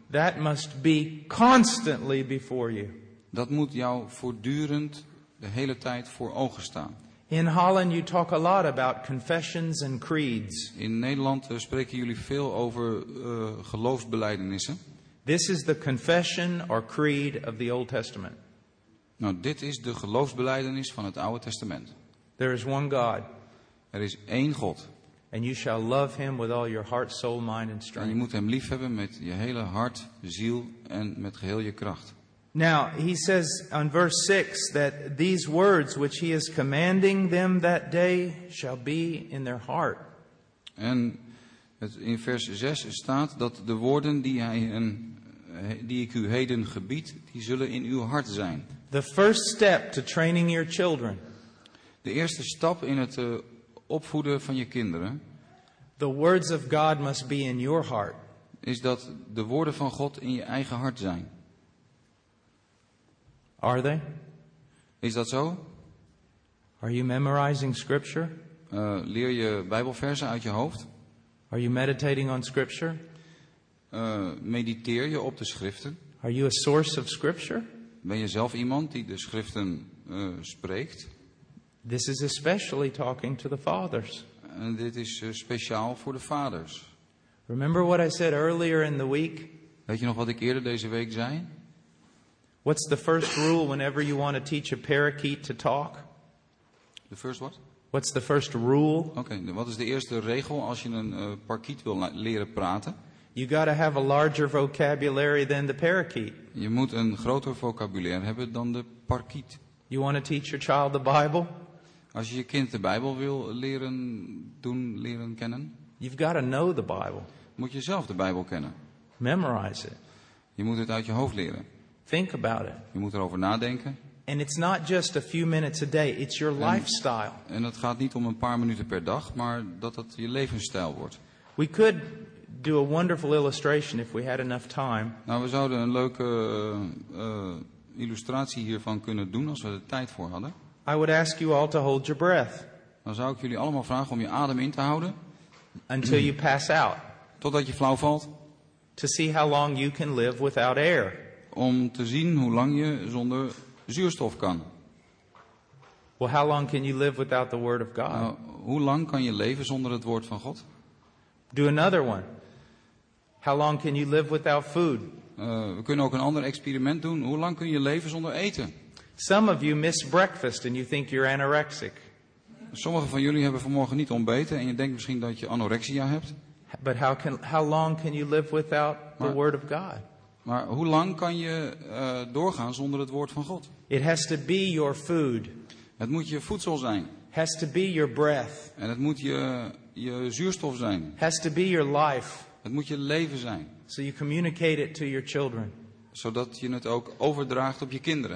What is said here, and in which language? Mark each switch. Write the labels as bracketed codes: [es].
[en] That must be constantly before you. [nl] Dat moet jou voortdurend de hele tijd voor ogen staan. [en] In Holland you talk a lot about confessions and creeds. [nl] In Nederland spreken jullie veel over geloofsbelijdenissen. [en] This is the confession or creed of the Old Testament. [nl] Nou, dit is de geloofsbelijdenis van het Oude Testament. [en] There is one God. [nl] Er is één God. [en] And you shall love him with all your heart, soul, mind and strength. [nl] En je moet hem lief hebben met je hele hart, ziel en met geheel je kracht. [en] Now, he says on verse 6 that these words which he is commanding them that day shall be in their heart. [nl] En in vers 6 staat dat de woorden die ik u heden gebied, die zullen in uw hart zijn. [en] The first step to training your children. [nl] De eerste stap in het opvoeden van je kinderen. [en] The words of God must be in your heart. [nl] Is dat de woorden van God in je eigen hart zijn. [en] Are they? [nl] Is dat zo? [en] Are you memorizing scripture? [nl] Leer je Bijbelversen uit je hoofd? [en] Are you meditating on scripture? [nl] Mediteer je op de schriften? [en] Are you a source of scripture? [nl] Ben je zelf iemand die de schriften spreekt? [en] This is especially talking to the fathers. [nl] En dit is speciaal voor de vaders. [en] Remember what I said earlier in the week? [nl] Weet je nog wat ik eerder deze week zei? [en] What's the first rule whenever you want to teach a parakeet to talk? The first what? What's the first rule? [nl] Okay, wat is de eerste regel als je een parakeet wil leren praten? [en] You got to have a larger vocabulary than the parakeet. [nl] Je moet een groter vocabulaire hebben dan de parakeet. [en] You want to teach your child the Bible? [nl] Als je je kind de Bijbel wil leren doen, leren kennen? [en] You've got to know the Bible. [nl] Moet je zelf de Bijbel kennen. [en] Memorize it. [nl] Je moet het uit je hoofd leren. [en] Think about it. [nl] Je moet erover nadenken. [en] And it's not just a few minutes a day, it's your lifestyle. [nl] En het gaat niet om een paar minuten per dag, maar dat het je levensstijl wordt. [en] We could do a wonderful illustration if we had enough time. [nl] Nou, we zouden een leuke illustratie hiervan kunnen doen als we er tijd voor hadden. [en] I would ask you all to hold your breath. [nl] Dan zou ik jullie allemaal vragen om je adem in te houden. [en] Until you pass out. [nl] Totdat je flauw valt. [en] To see how long you can live without air. [nl] Om te zien hoe lang je zonder zuurstof kan. [en] Well, how long can you live without the word of God? [nl] Hoe lang kan je leven zonder het woord van God? [en] Do another one. How long can you live without food? [nl] We kunnen ook een ander experiment doen. Hoe lang kun je leven zonder eten? [en] Some of you miss breakfast and you think you're anorexic. [nl] Sommige van jullie hebben vanmorgen niet ontbeten en je denkt misschien dat je anorexia hebt. [en] But how long can you live without the word of God? [nl] Maar hoe lang kan je doorgaan zonder het woord van God? [en] It has to be your food. [nl] Het moet je voedsel zijn. [en] Has to be your breath. [nl] En het moet je zuurstof zijn. [en] Has to be your life. [nl] Het moet je leven zijn. [en] So you communicate it to your children. [nl] Zodat je het ook overdraagt op je kinderen.